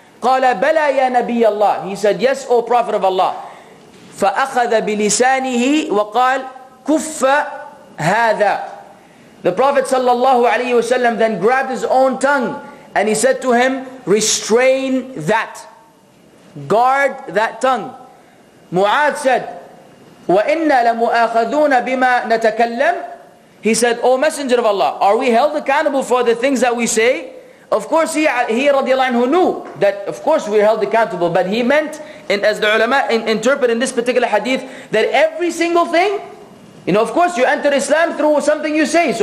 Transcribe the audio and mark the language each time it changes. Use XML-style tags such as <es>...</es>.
<ar>Qala bala ya nabiy Allah.</ar> <en>He said, "Yes, O Prophet of Allah."</en> <ar>فَأَخَذَ بِلِسَانِهِ وَقَالَ كُفَّ هَذَا.</ar> <en>The Prophet sallallahu alayhi wasallam then grabbed his own tongue and he said to him, "Restrain that. Guard that tongue." Mu'adh said,</en> <ar>وَإِنَّا لَمُؤَخَذُونَ بِمَا نَتَكَلَّمْ.</ar> <en>He said, "O Messenger of Allah, are we held accountable for the things that we say?" Of course, he radiallahu anhu knew that of course we're held accountable. But he meant, and as the ulama interpret in this particular hadith, that every single thing, you know, of course you enter Islam through something you say.</en>